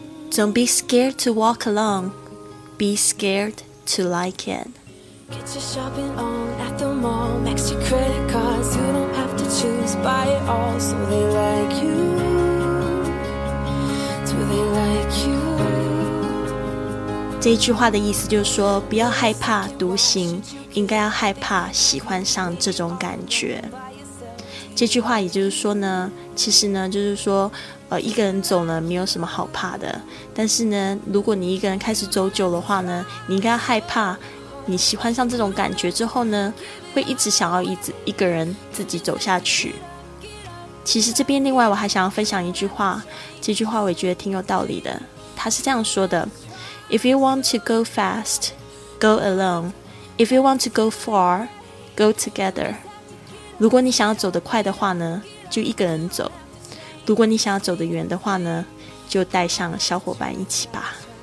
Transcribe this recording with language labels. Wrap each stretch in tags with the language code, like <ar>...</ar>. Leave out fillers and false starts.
<en>Don't be scared to walk alone, be scared to like it. Get your shopping on at the mall, max your credit cards, you don't have to choose, buy it all, so they like you, do they like you?</en> <zh>这句话的意思就是说，不要害怕独行，应该要害怕喜欢上这种感觉。这句话也就是说呢，其实呢，就是说，一个人走呢，没有什么好怕的。但是呢，如果你一个人开始走久的话呢，你应该害怕你喜欢上这种感觉之后呢，会一直想要一个人自己走下去。其实这边另外我还想要分享一句话，这句话我也觉得挺有道理的。他是这样说的。</zh> <en>If you want to go fast, go alone. If you want to go far, go together.</en> <zh>如果你想要走得快的话呢，就一个人走。如果你想要走得远的话呢，就带上小伙伴一起吧。</zh>